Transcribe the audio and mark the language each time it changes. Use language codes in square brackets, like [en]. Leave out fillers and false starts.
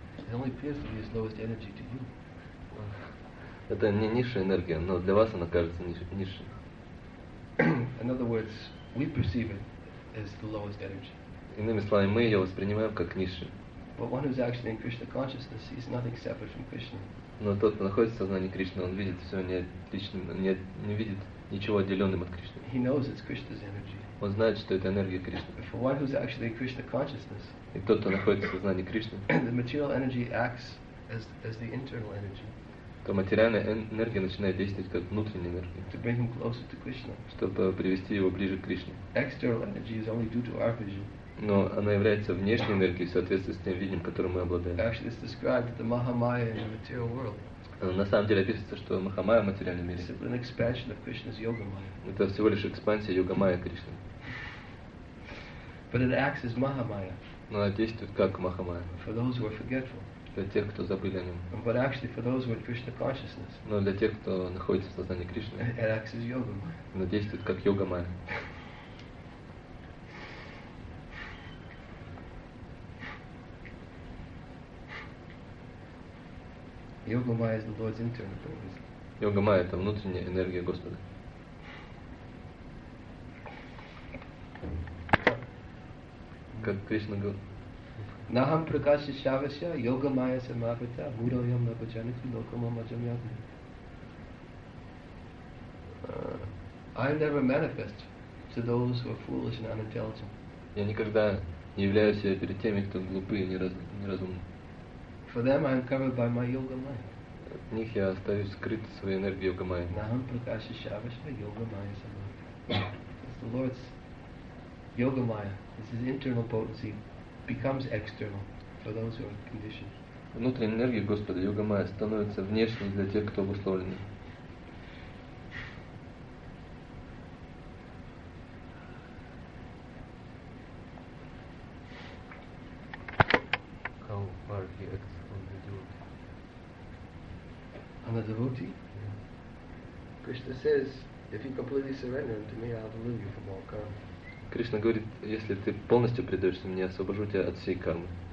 [en] It only appears to be his lowest energy to you. [ru] Это не низшая энергия, но для вас она кажется низшей. [en] In other words, we perceive it as the lowest energy. [ru] Иными словами, мы ее воспринимаем как низшую. [en] But one who is actually in Krishna consciousness sees nothing separate from Krishna. [ru] Но тот, кто находится в сознании Кришны, он видит все не видит ничего отделенным от Кришны. [en] He knows it's Krishna's energy. [ru] Он знает, что это энергия Кришны. [en] For one who's actually in Krishna consciousness. [ru] И тот, кто находится в сознании Кришны. [en] The material energy acts as the internal energy. [ru] То материальная энергия начинает действовать как внутренняя энергия. [en] To bring him closer to Krishna. [ru] Чтобы привести его ближе к Кришне. [en] External energy is only due to our vision. [ru] Но она является внешней энергией в соответствии с тем видением, которым мы обладаем. [en] Actually, it's described that the Mahamaya in the material world. [ru] На самом деле описывается, что Махамая в материальном мире. [en] It's simply an expansion of Krishna's yoga maya. [ru] Это всего лишь экспансия йога майя Кришны. [en] But it acts as Mahamaya. [ru] Но она действует как Махамая. [en] For those who are forgetful. [ru] Для тех, кто забыли о нем. [en] But actually for those who are Krishna consciousness. [ru] Но для тех, кто находится в сознании Кришны. [en] It acts as yoga maya. [ru] Она действует как йога майя. [en] Yoga Maya is the Lord's internal energy. [ru] Yoga Maya — это внутренняя энергия Господа. как Кришна говорит. [sa] Нахам пракаши шавася йога майя самапита мудрайам напачанити локама маджамьяти. [en] I never manifest to those who are foolish and unintelligent. [ru] Я никогда не являюсь перед теми, кто глупый и неразумный. [en] For them I am covered by my yoga maya. [ru] От них я остаюсь скрыт своей энергией йога майя. [sa] Нахам пракаши шавася йога майя самапита. [en] It's the Lord's yoga maya. This is internal potency. Becomes external for those who are conditioned. [ru] Внутренняя энергия Господа Йога Майя становится внешней для тех, кто обусловлен. [en] How far he acts on the devotee? On the devotee? Yeah. Krishna says, if you completely surrender to me, I'll deliver you from all karma. [ru] Кришна говорит, если ты полностью предаешься мне, освобожу тебя от всей кармы.